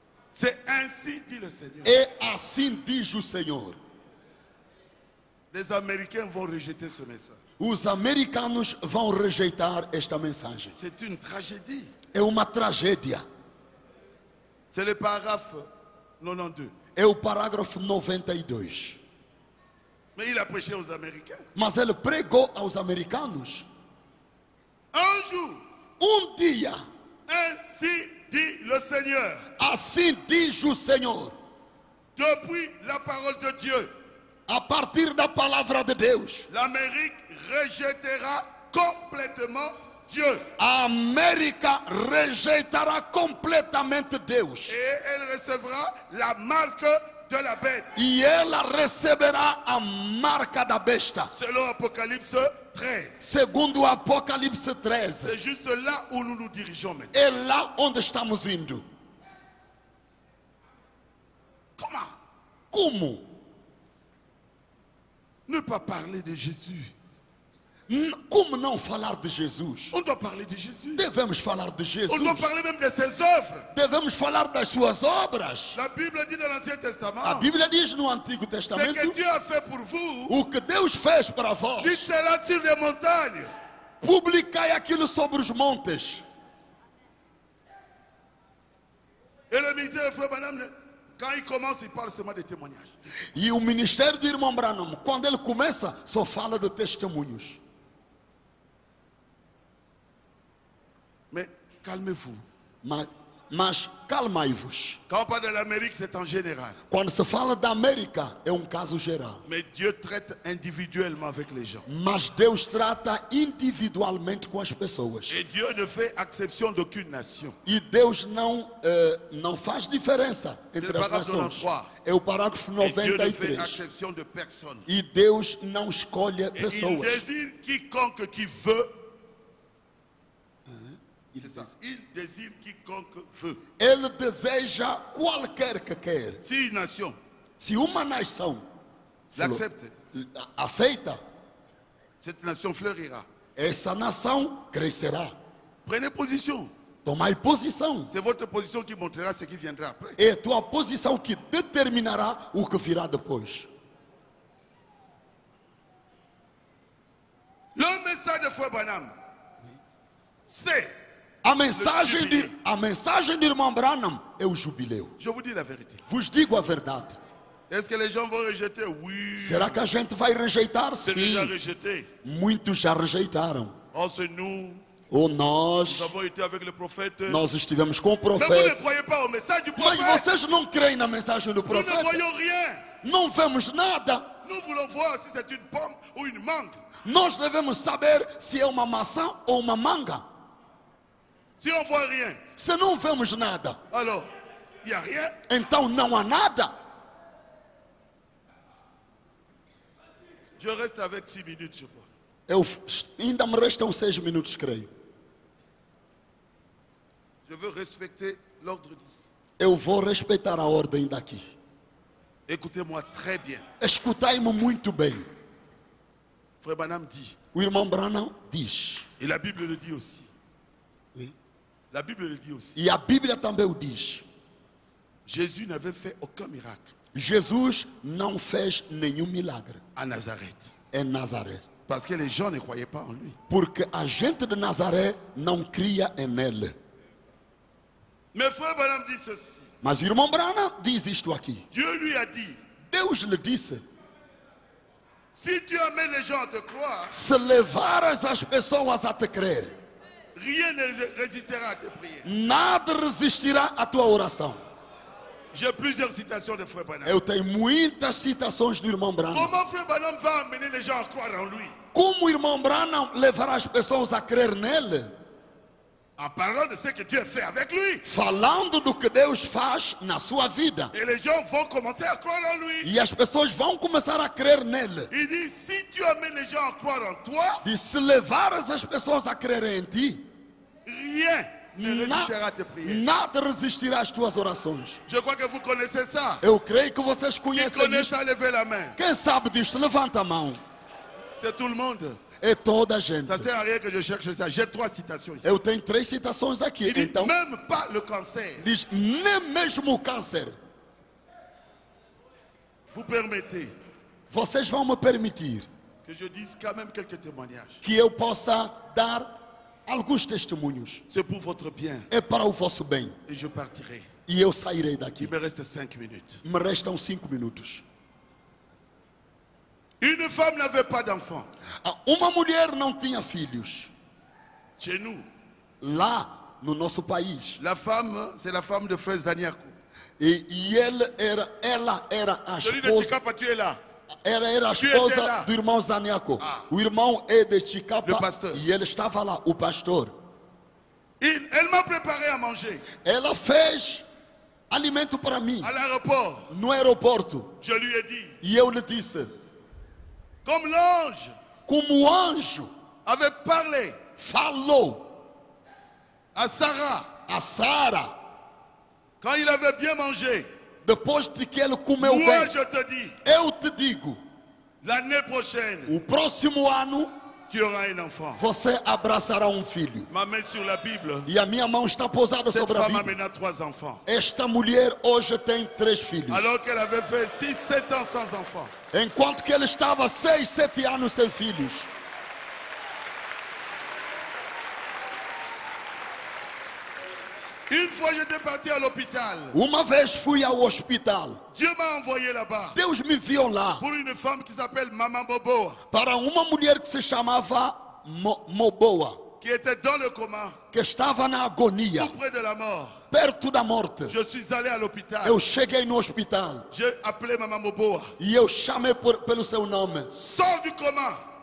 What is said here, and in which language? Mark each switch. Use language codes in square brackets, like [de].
[fr] C'est ainsi dit le Seigneur. [pt] É assim diz o Senhor. [fr] Les Américains vont rejeter ce message. [pt] Os americanos vão rejeitar esta mensagem. [fr] C'est une tragédie. [pt] É uma tragédia. [fr] C'est le paragraphe 92. [pt] É o parágrafo 92. [fr] Mais il a prêché aux Américains. [pt] Mas ele pregou aos americanos. [fr] Un jour, [pt] um dia. [fr] Ainsi dit le Seigneur. [pt] Assim diz o Senhor. [fr] Depuis la parole de Dieu. [pt] A partir da palavra de Deus. [fr] L'Amérique rejetera complètement Dieu. [pt] A América rejeitará completamente Deus. [fr] Et elle recevra la marque de la bête. [pt] E ela receberá a marca da besta. [fr] Selon Apocalipse 13. [pt] Segundo Apocalipse 13. [fr] C'est juste là où nous nous dirigeons maintenant. [pt] É lá onde estamos indo. Como? [fr] Ne pas parler de Jésus. [pt] Como não falar de Jesus? [fr] On doit parler de Jésus. [pt] Devemos falar de Jesus. [fr] On doit parler même de ses œuvres. [pt] Devemos falar das suas obras. [fr] La Bible dit dans l'Ancien Testament. [pt] A Bíblia diz no Antigo Testamento. [fr] Ce que Dieu a fait pour vous. [pt] O que Deus fez para vós. [fr] Dites-le sur les montagnes. [pt] Publicai aquilo sobre os montes. [fr] Et le ministère foi madame. Quand il commence, il parle seulement de témoignages. [pt] E o ministério do irmão Branham, quando ele começa, só fala de testemunhos. [fr] Mais calmez-vous. [pt] Mas calmai-vos. [fr] Quand on parle de l'Amérique, c'est en général. [pt] Quando se fala da América, é caso geral. [fr] Mais Dieu traite individuellement avec les gens. [pt] Mas Deus trata individualmente com as pessoas. [fr] Et Dieu ne fait exception d'aucune nation. [pt] E Deus não faz diferença entre as nações. É o parágrafo 93. [fr] Et Dieu ne fait exception de personne. [pt] E Deus não escolhe pessoas. [fr] Il désire quiconque qui veut. Il désire quiconque veut. [pt] Ele deseja qualquer que quer. [fr] Si une nation, [pt] si uma nação [fr] l'accepte, [pt] aceita, [fr] cette nation fleurira. [pt] Essa nação crescerá. [fr] Prenez position. [pt] Tomai posição. [fr] C'est votre position qui montrera ce qui viendra après. [pt] É tua posição que determinará o que virá depois. [fr] Le message de Frère Branham, c'est [pt] A mensagem de irmão Branham é o jubileu. [fr] Je vous dis la vérité. [pt] Vos digo a verdade. [fr] Est-ce que les gens vont rejeter? Oui. [pt] Será que a gente vai rejeitar? [fr] C'est [pt] sim. [fr] Déjà rejeté. [pt] Muitos já rejeitaram. [fr] Oh, c'est nous. [pt] Ou nós. [fr] Nous avons été avec le prophète. [pt] Nós estivemos com o profeta. [fr] Mais vous ne croyez pas au message du prophète. [pt] Mas vocês não creem na mensagem do profeta. [fr] Nous ne voyons rien. [pt] Não vemos nada. [fr] Nous voulons voir si c'est une pomme ou une mangue. [pt] Nós devemos saber se é uma maçã ou uma manga. [fr] Si on voit rien, [pt] se não vemos nada, [fr] alors, y a rien. [pt] Então não há nada. [fr] Je reste avec 6 minutes, je crois. [pt] Ainda me restam 6 minutos, creio. [fr] Je veux respecter l'ordre d'ici. [pt] Eu vou respeitar a ordem daqui. [fr] Écoutez-moi très bien. [pt] Escutai-me muito bem. [fr] Frère Branham dit. [pt] O irmão Branham diz. [fr] Et la Bible le dit aussi. La Bible le dit aussi. [pt] E a Bíblia também o diz. [fr] Jésus n'avait fait aucun miracle. [pt] Jesus não fez nenhum milagre. [fr] À Nazareth. [pt] Em Nazaré. [fr] Parce que les gens ne croyaient pas en lui. [pt] Porque a gente de Nazaré não cria em ele. Mas foi Branham disse assim. Mas irmão Branham diz isto aqui. [fr] Dieu lui a dit. [pt] Deus lhe disse. [fr] Si tu amènes les gens à te croire. [pt] Se levares as pessoas a te crer. [fr] Rien ne résistera à tes prières. [pt] Nada resistirá à tua oração. [fr] J'ai plusieurs citations de Frère Branham. [pt] Eu tenho muitas citações do irmão Branham. [fr] Comment Frère Branham va amener les gens à croire en lui? [pt] Como o irmão Branham levará as pessoas a crer nele? [fr] En parlant de ce que Dieu fait avec lui. [pt] Falando do que Deus faz na sua vida. [fr] Et les gens vont commencer à croire en lui. [pt] E as pessoas vão começar a crer nele. [fr] Il dit, si tu amènes les gens à croire en toi. [pt] E se levares as pessoas a crer em ti. [fr] Rien. [pt] Nada resistirá às tuas orações. [fr] Je crois que vous connaissez ça. [pt] Eu creio que vocês conhecem isso. Quem sabe disto, levanta a mão. [fr] C'est tout le monde. [pt] É toda a gente. [fr] Ça sert à rien que je cherche ça. J'ai trois citations ici. [pt] Eu tenho três citações aqui. [fr] Il [pt] então, [fr] dit, même pas le cancer. [pt] Diz, nem mesmo o câncer. [fr] Vous permettez. [pt] Vocês vão me permitir [fr] que, je dise quand même quelques témoignages. [pt] Que eu possa dar alguns testemunhos. [fr] C'est pour votre bien. [pt] É para o vosso bem. [fr] Et je partirai. [pt] E eu sairei daqui. [fr] Il me reste 5 minutes. [pt] Me restam 5 minutos. [fr] Une femme n'avait pas d'enfant. [pt] Uma mulher não tinha filhos. [fr] Chez nous. [pt] Lá no nosso país. [fr] La femme, c'est la femme de Frère Zaniaco. [pt] E ela era a esposa. Era a esposa do irmão Zaniaco. Ah. O irmão é de Chicapa e ele estava lá, o pastor. [fr] Ele m'a préparé à manger. [pt] Ela fez alimento para mim. [fr] À l'aéroport. [pt] No aeroporto. [fr] Je lui ai dit. [pt] E eu lhe disse. [fr] Comme l'ange. [pt] Como o anjo. [fr] Avait parlé. [pt] Falou. [fr] À Sarah. [pt] A Sara. [fr] Quand il avait bien mangé. [pt] Depois de que ele comeu bem, [fr] je te dis, [pt] eu te digo, [fr] l'année prochaine, [pt] o próximo ano, [fr] tu auras un enfant. [pt] Você abraçará um filho. [fr] Ma main sur la Bible, [pt] e a minha mão está posada [fr] cette [pt] sobre [fr] femme [pt] a Bíblia. A menina, [fr] trois enfants. [pt] Esta mulher hoje tem três filhos. [fr] Alors qu'elle avait fait 6, 7 ans sans enfant. [pt] Enquanto que ela estava 6, 7 anos sem filhos. [fr] Une fois j'étais parti à l'hôpital. [pt] Uma vez fui ao hospital. [fr] Dieu m'a envoyé là-bas. [pt] Deus me enviou lá. [fr] Pour une femme qui s'appelle Maman Boboa. [pt] Para uma mulher que se chamava Moboa. [fr] Qui était dans le coma. [pt] Que estava na agonia. [fr] Tout près de la mort. [pt] Perto da morte. [fr] Je suis allé à l'hôpital. [pt] Eu cheguei no hospital. [fr] J'ai appelé Maman Boboa. [pt] E eu chamei pelo seu nome. [fr] Sors du coma.